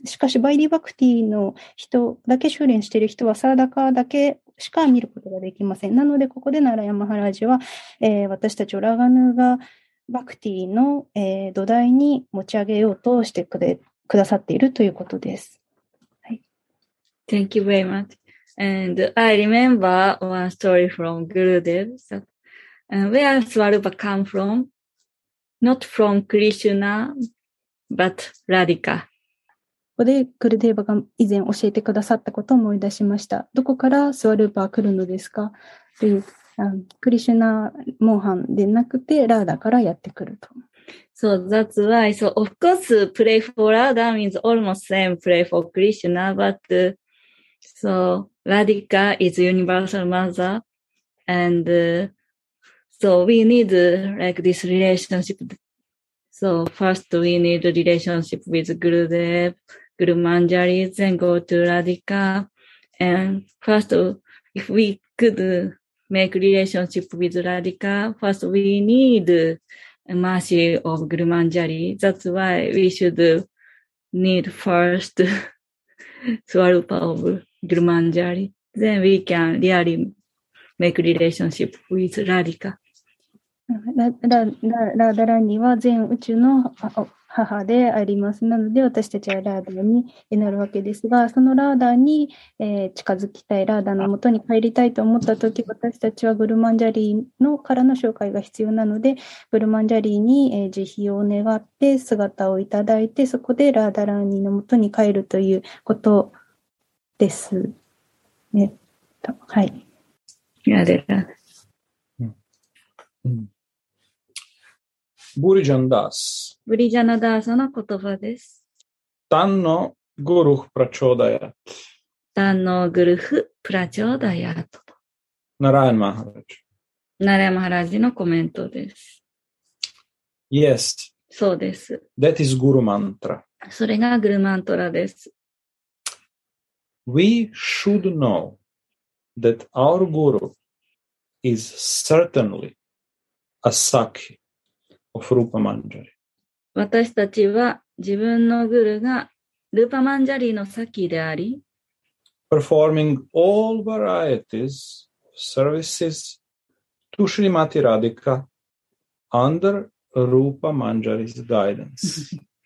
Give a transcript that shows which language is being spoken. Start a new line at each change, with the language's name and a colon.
Japanese: しかし、バイディバクティの人だけ修練している人は、サーダカだけしか見ることができません。なので、ここでナラヤマハラジは、私たちをラガヌーガバクティの、土台に持ち上げようとしてくださっているということです。はい、
English: Thank you very much. And I remember one story from Gurudev, where Swarupa come from? Not from Krishna, but Radhika.
Japanese: ここでグルデーバが以前教えてくださったことを思い出しました。どこからスワルーパー来るのですか?という、クリシュナモーハンでなくてラーダからやってくると。
English: So that's why, so of course, pray for Radha means almost same pray for Krishna, but so Radhika is universal mother and So we need like this relationship. So first we need a relationship with Gurudev, Guru Manjari, then go to Radhika. And first, if we could make relationship with Radhika, first we need mercy of Guru Manjari. That's why we should need first Swarupa of Guru Manjari. Then we can really make relationship with Radhika.
Japanese: ラダラニは全宇宙の母であります。なので私たちはラダに祈るわけですが、そのラダに近づきたい、ラダの元に帰りたいと思った時、私たちはグルマンジャリーのからの紹介が必要なので、グルマンジャリーに慈悲を願って姿をいただいて、そこでラダラニの元に帰るということです。はい。ラダラ。ブリジャンダース。ブリジャナダースの言葉です。
Sanskrit: タンノグルフプラチョーダヤト。タンノグルフプラチョーダヤト。
Japanese: ナラヤマハラジ。ナラヤマハラジのコメントです。
English: Yes,
Japanese: そうです。
English: That is Guru Mantra.
Japanese: それがグルマントラです。
English: We should know that our Guru is certainly a Sakhi of Rupa Manjari.
Japanese: 私たちは自分のグルがルーパマンジャリのサキであり、
English: performing all varieties of services to Srimati Radhika under Rupa Manjari's guidance.